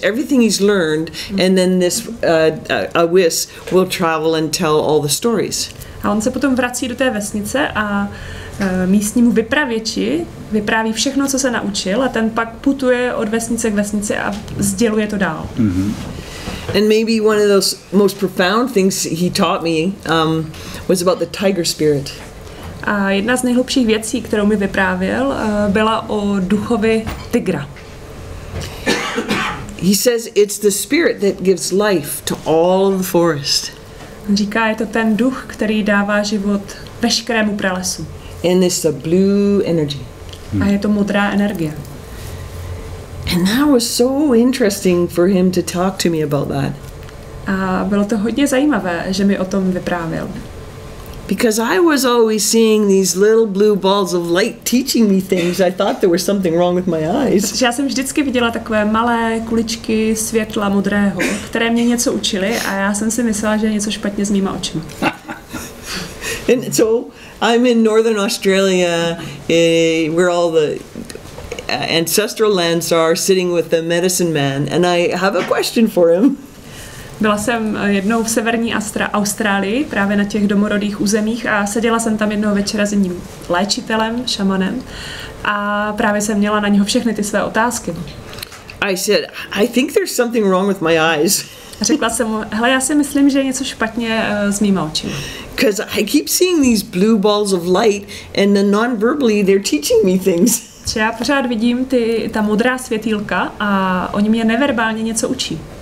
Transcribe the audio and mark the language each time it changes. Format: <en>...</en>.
<en>Everything he's learned, and then this Awis will travel and tell all the stories.</en> <cs>A on se potom vrací do té vesnice a místnímu vypravěči vypráví všechno, co se naučil, a ten pak putuje od vesnice k vesnici a sděluje to dál. Mm-hmm.</cs> <en>And maybe one of those most profound things he taught me was about the tiger spirit.</en> <cs>A jedna z nejhlubších věcí, kterou mi vyprávěl, byla o duchovi tygra.</cs> <en>He says it's the spirit that gives life to all the forest.</en> <cs>Říká, je to ten duch, který dává život veškerému pralesu.</cs> <en>And it's the blue energy.</en> <cs>A je to modrá energie.</cs> <en>And that was so interesting for him to talk to me about that.</en> <cs>A bylo to hodně zajímavé, že mi o tom vyprávěl.</cs> <en>Because I was always seeing these little blue balls of light teaching me things. I thought there was something wrong with my eyes.</en> <cs>Já jsem vždycky viděla takové malé kuličky světla modrého, které mě něco učily, a já jsem si myslela, že je něco špatně s mýma očima.</cs> <en>And so I'm in Northern Australia, where all the ancestral lands are, sitting with the medicine man, and I have a question for him.</en> <cs>Byla jsem jednou v severní Austrálii, právě na těch domorodých územích, a seděla jsem tam jednoho večera s jedním léčitelem, šamanem, a právě jsem měla na něho všechny ty své otázky.</cs> <en>I said, I think there's something wrong with my eyes.</en> <cs>Řekla jsem mu, hele, já si myslím, že je něco špatně s mýma očima.</cs> <en>Because I keep seeing these blue balls of light, and then non-verbally they're teaching me things.</en> <cs>Že já pořád vidím ta modrá světýlka a oni mě neverbálně něco učí.</cs>